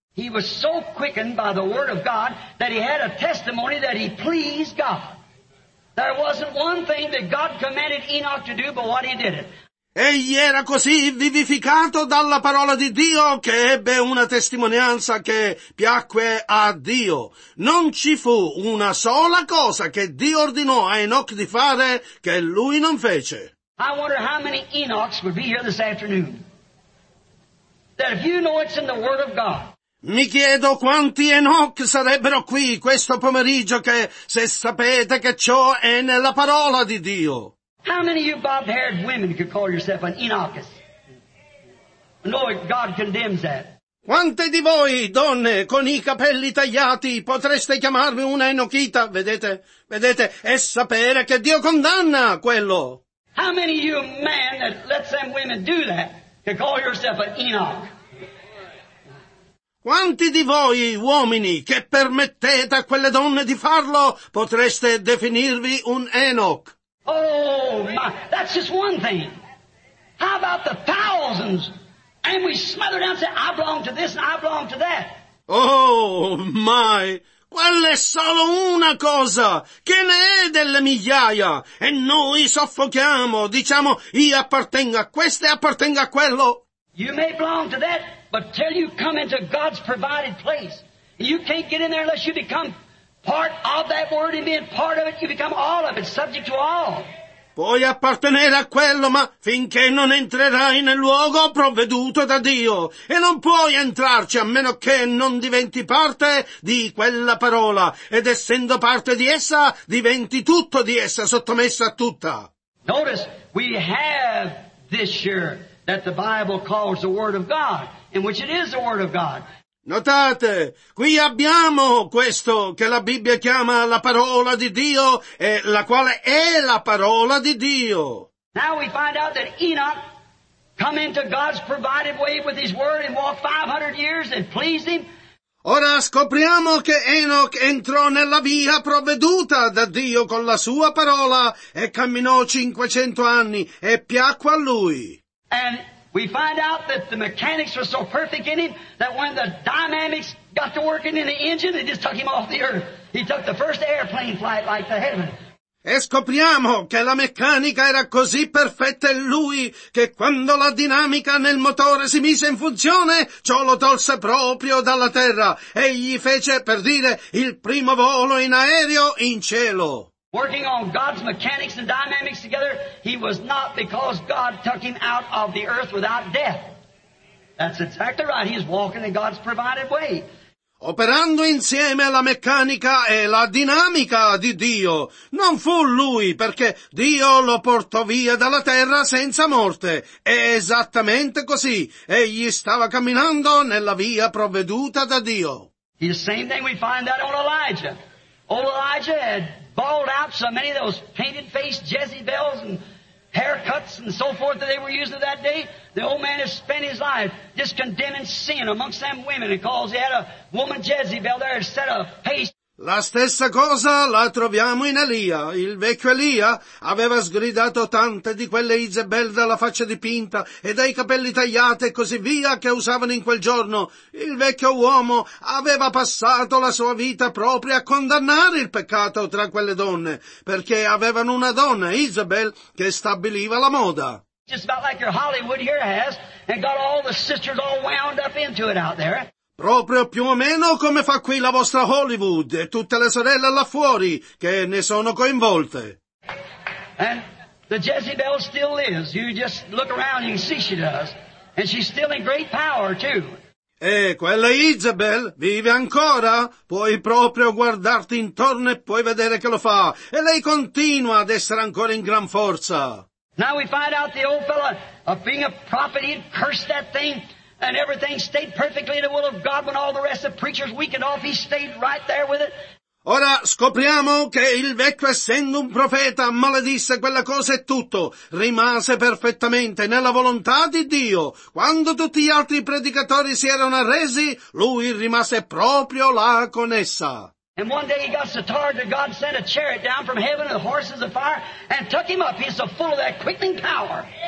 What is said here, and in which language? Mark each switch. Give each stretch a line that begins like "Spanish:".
English: He was so quickened by the word of God that he had a testimony that he pleased God. There wasn't one thing that God commanded Enoch to do but what he did it.
Italian: Egli era così vivificato dalla parola di Dio che ebbe una testimonianza che piacque a Dio. Non ci fu una sola cosa che Dio ordinò a Enoch di fare che lui non fece.
English: I wonder how many Enochs would be here this afternoon. That if you know it's in the Word of God.
Italian: Mi chiedo quanti Enoch sarebbero qui questo pomeriggio che se sapete che ciò è nella parola di Dio.
English: How many of you bob-haired women could call yourself an Enochus? No, God condemns that.
Italian: Quante di voi, donne, con i capelli tagliati, potreste chiamarvi una Enochita, vedete, e sapere che Dio condanna quello?
English: How many of you men that lets them women do that could call yourself an Enoch?
Italian: Quanti di voi, uomini, che permettete a quelle donne di farlo, potreste definirvi un Enoch?
English: Oh my, that's just one thing. How about the thousands And we smother down and say, I belong to this and I belong to that. Oh, my.
Italian: Quella è solo una cosa che ne è delle migliaia. E noi soffochiamo. Diciamo, io appartengo a questo e appartengo a quello.
English: You may belong to that, but till you come into God's provided place, you can't get in there unless you become part of that word and being part of it, you become all of it, subject to all.
Italian: Puoi appartenere a quello, ma finché non entrerai nel luogo provveduto da Dio, e non puoi entrarci a meno che non diventi parte di quella parola, ed essendo parte di essa, diventi tutto di essa, sottomessa a tutta.
English: Notice, we have this year that the Bible calls the Word of God, in which it is the Word of God.
Italian: Notate, qui abbiamo questo che la Bibbia chiama la parola di Dio, e la quale è la parola di Dio.
English: Now we find out that Enoch come into God's provided way with his word and walked 500 years and pleased him.
Italian: Ora scopriamo che Enoch entrò nella via provveduta da Dio con la sua parola e camminò 500 anni e piacque a lui.
English: And we find out that the mechanics were so perfect in him that when the dynamics got to working in the engine, it just took him off the earth. He took the first airplane flight like to heaven.
Italian: E scopriamo che la meccanica era così perfetta in lui che quando la dinamica nel motore si mise in funzione, ciò lo tolse proprio dalla terra. Egli fece, per dire, il primo volo in aereo in cielo.
English: Working on God's mechanics and dynamics together, he was not because God took him out of the earth without death. That's exactly right. He is walking in God's provided way.
Italian: Operando insieme la meccanica e la dinamica di Dio, non fu lui perché Dio lo portò via dalla terra senza morte. È esattamente così. Egli stava camminando nella via provveduta da Dio.
English: The same thing we find out on Elijah. Old Elijah had balled out so many of those painted-faced Jezebels and haircuts and so forth that they were using that day. The old man has spent his life just condemning sin amongst them women because he had a woman Jezebel there instead of paste.
Italian: La stessa cosa la troviamo in Elia. Il vecchio Elia aveva sgridato tante di quelle Izebel dalla faccia dipinta e dai capelli tagliati e così via che usavano in quel giorno. Il vecchio uomo aveva passato la sua vita proprio a condannare il peccato tra quelle donne, perché avevano una donna, Izebel, che stabiliva la moda.
English: Just about like your Hollywood here has, and got all the sisters all wound up into it out there.
Italian: Proprio più o meno come fa qui la vostra Hollywood e tutte le sorelle là fuori che ne sono coinvolte.
English: And the Jezebel still lives. You just look around and you see she does. And she's still in great power too.
Italian: E quella Jezebel vive ancora? Puoi proprio guardarti intorno e puoi vedere che lo fa. E lei continua ad essere ancora in gran forza.
English: Now we find out the old fellow, being a prophet, he had cursed that thing. And everything stayed perfectly in the will of God when all the rest of the preachers weakened off. He stayed right there with it.
Italian: Ora scopriamo che il vecchio, essendo un profeta, maledisse quella cosa e tutto. Rimase perfettamente nella volontà di Dio. Quando tutti gli altri predicatori si erano arresi, lui rimase proprio là con essa.
English: And one day he got so tired that God sent a chariot down from heaven and the horses of fire and took him up. He's so full of that quickening power.